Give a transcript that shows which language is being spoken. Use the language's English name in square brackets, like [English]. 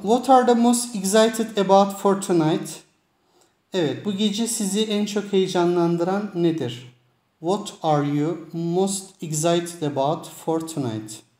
[English] What are the most excited about for tonight? [Turkish] Evet, bu gece sizi en çok heyecanlandıran nedir? [English] What are you most excited about for tonight?